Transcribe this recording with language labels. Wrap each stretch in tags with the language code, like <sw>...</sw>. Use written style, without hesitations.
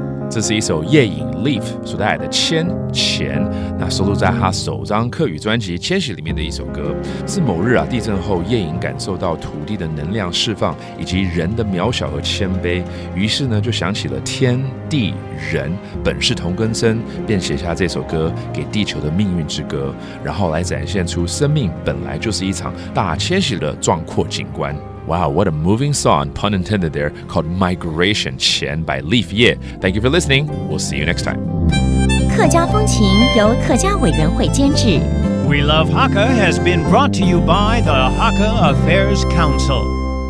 <zh>这是一首葉穎Leaf 所带来的迁前，那收录在他首张客语专辑《迁徙》里面的一首歌，是某日啊地震后葉穎感受到土地的能量释放以及人的渺小和谦卑，于是呢就想起了天地人本是同根生，便写下这首歌给地球的命运之歌，然后来展现出生命本来就是一场大迁徙的壮阔景观。</zh> <en>Wow, what a moving song, pun intended there, called Migration, 前 by Leaf Yeh. Thank you for listening. We'll see you next time.</en> <zh>客家风情由客家委员会监制。</zh> <en>We Love Hakka has been brought to you by the Hakka Affairs Council.</en>